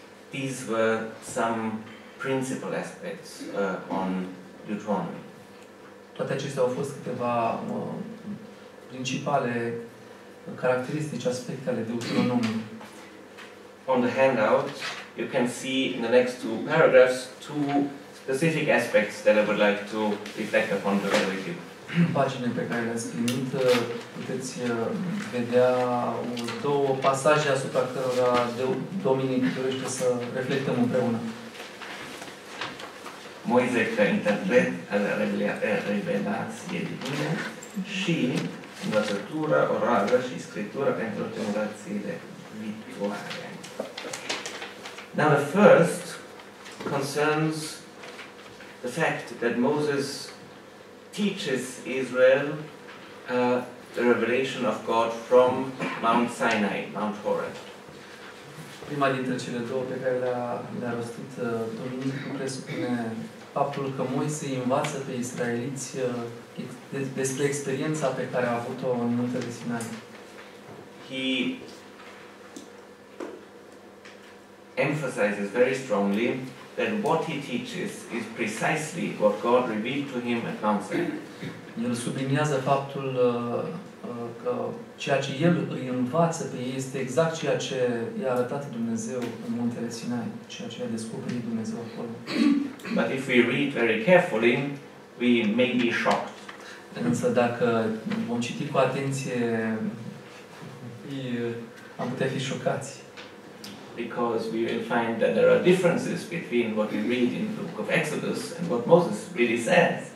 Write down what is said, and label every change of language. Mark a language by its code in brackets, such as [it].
[en] These were some principal aspects on Deuteronomy. [ro] Toate acestea au fost câteva principale caracteristici, aspecte ale Deuteronomului. [en] On the handout, you can see in the next two paragraphs two specific aspects that I would like to reflect upon together with you. [ro] În pagina pe care le-ați primit, puteți vedea două pasaje asupra cărora Dominic dorește să reflectăm împreună. Moise ca interpret al revelației divine și învățătura orală și scriptură pentru generațiile viitoare. [en] Now the first concerns the fact that Moses teaches Israel the revelation of God from Mount Sinai, Mount Horeb. [ro] Prima dintre cele două pe care le-a rostit Dumnezeu presupune faptul că Moise învață pe israeliți despre experiența pe care a avut-o în muntele Sinai. [en] He emphasizes very strongly that what he teaches is precisely what God revealed to him at Mount Sinai. [ro] El subliniază faptul că ceea ce el îi învață pe ei este exact ceea ce i-a arătat Dumnezeu în muntele Sinai, ceea ce a descoperit Dumnezeu acolo. [en] But if we read very carefully, we may be shocked. [ro] Însă dacă vom citi cu atenție, am putea fi șocați. [en] Because we will find that there are differences between what we read in the book of Exodus and what Moses really says.